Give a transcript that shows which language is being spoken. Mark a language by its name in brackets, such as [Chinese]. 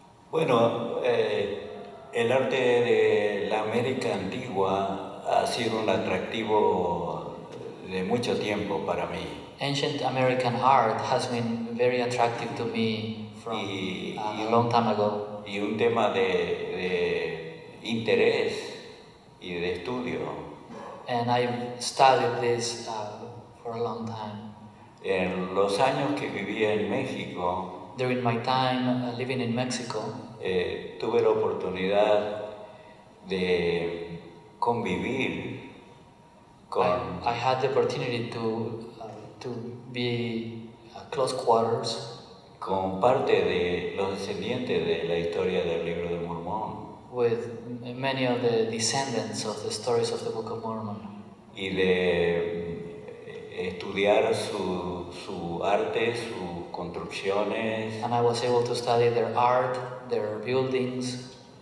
[Spanish] Bueno, el arte de la América Antigua ha sido un atractivo de mucho tiempo para mí. [English] Ancient American art has been very attractive to me from a long time ago. [Spanish] Y un tema de interés y de estudio. [English] And I've studied this for a long time. [Spanish] En los años que vivía en México, [English] during my time living in Mexico, [Spanish] Tuve la oportunidad de convivir con [English] I had the opportunity to be close quarters [Spanish] con parte de los descendientes de la historia del Libro de Mormón, [English] with many of the descendants of the stories of the Book of Mormon, [Spanish] y de estudiar sus su arte, sus construcciones. [English] And I was able to study their art, their buildings.